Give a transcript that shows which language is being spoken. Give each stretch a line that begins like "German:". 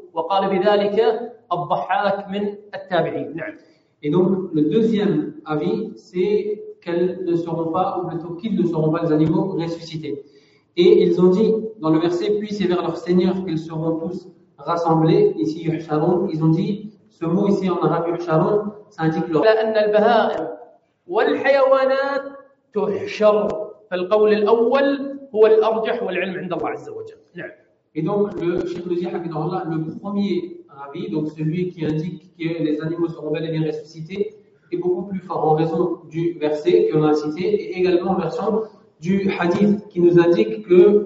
Arabic: وقال بذلك الضحاك من التابعين. نعم.
French: Et donc le deuxième avis, c'est qu'elles ne seront pas, ou plutôt qu'ils ne seront pas, les animaux ressuscités. Et ils ont dit dans le verset, puis c'est vers leur Seigneur qu'ils seront tous rassemblés. Ici يحشرون. Ils ont dit ce mot ici en arabe يحشرون, ça indique leur.
Arabic: لأن البهائم والحيوانات تحشر. فالقول الأول هو الأرجح والعلم عند الله عز وجل. نعم.
French: Et donc, le Cheikh le dit, Hafidhahullah, le premier avis, donc celui qui indique que les animaux seront bel et bien ressuscités, est beaucoup plus fort en raison du verset qu'on a cité, et également en raison du hadith qui nous indique que